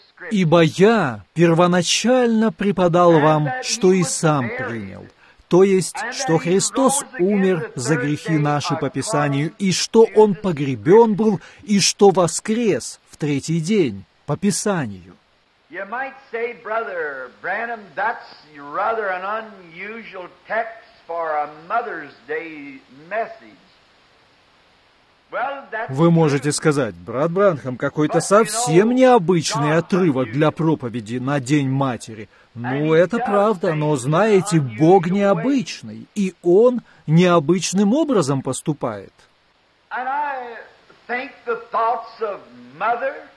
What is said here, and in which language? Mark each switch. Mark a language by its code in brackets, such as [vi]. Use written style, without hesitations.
[ru] Ибо я первоначально преподал вам, что и сам принял, то есть, что Христос умер за грехи наши по Писанию, и что Он погребен был, и что воскрес в третий день по Писанию. [en] You might say, Brother Branham, that's rather an unusual text for a Mother's Day message. Well, that's. [ru] Вы можете сказать, брат Бранхам, какой-то совсем необычный отрывок для проповеди на День Матери. Ну, это правда, но знаете, Бог необычный, и Он необычным образом поступает. [en] And I think the thoughts of Mother.